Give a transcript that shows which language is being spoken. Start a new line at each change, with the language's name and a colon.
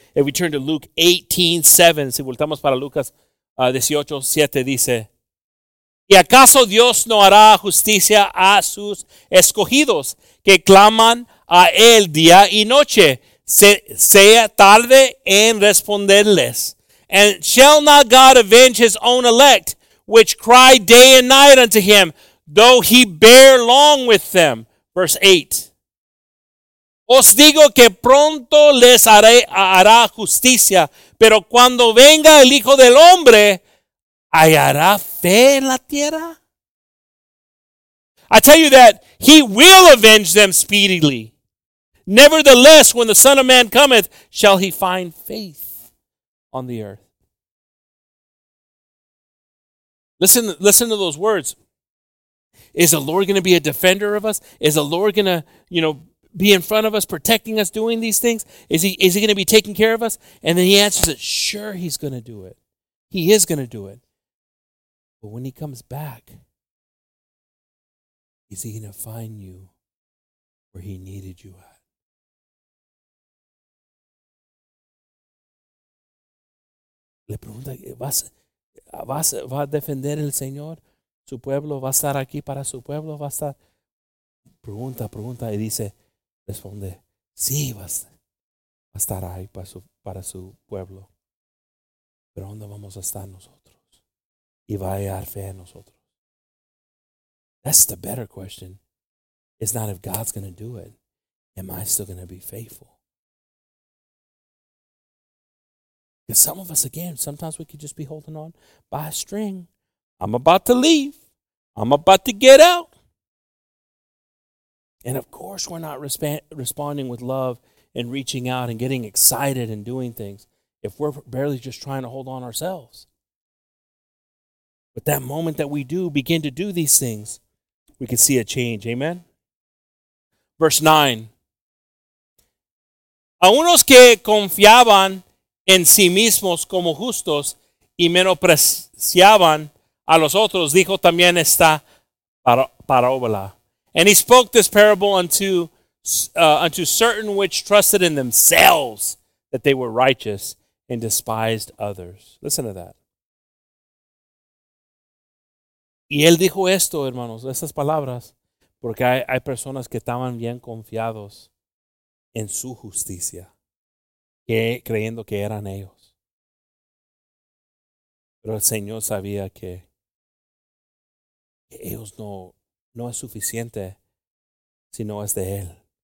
English: If we turn to Luke 18:7,
Spanish: si voltamos para Lucas 18:7, dice, ¿y acaso Dios no hará justicia a sus escogidos que claman a él día y noche, sea tarde en responderles?
English: And shall not God avenge his own elect, which cry day and night unto him, though he bear long with them? Verse 8.
Spanish: Os digo que pronto les hará justicia, pero cuando venga el Hijo del Hombre, ¿hallará fe en la tierra?
English: I tell you that he will avenge them speedily. Nevertheless, when the Son of Man cometh, shall he find faith on the earth? Listen to those words. Is the Lord going to be a defender of us? Is the Lord going to, you know, be in front of us, protecting us, doing these things? Is he going to be taking care of us? And then he answers it, sure, he's going to do it. He is going to do it. But when he comes back, is he going to find you where he needed you at?
Spanish: Le pregunta, ¿va a defender el Señor su pueblo? ¿Va a estar aquí para su pueblo? ¿Va a estar? Pregunta y dice, responde, sí, va a estar ahí para su pueblo. ¿Pero dónde vamos a estar nosotros? ¿Y va a hallar fe en nosotros?
English: That's the better question. It's not if God's going to do it. Am I still going to be faithful? Because some of us, again, sometimes we could just be holding on by a string. I'm about to leave. I'm about to get out. And of course, we're not responding with love and reaching out and getting excited and doing things if we're barely just trying to hold on ourselves. But that moment that we do begin to do these things, we can see a change. Amen? Verse 9.
Spanish: A unos que confiaban en sí mismos como justos y menospreciaban a los otros, dijo también esta parábola.
English: And he spoke this parable unto certain which trusted in themselves that they were righteous and despised others. Listen to that.
Spanish: Y él dijo esto, hermanos, estas palabras, porque hay personas que estaban bien confiados en su justicia, que creyendo que eran ellos. Pero el Señor sabía que ellos no es suficiente si no es de Él.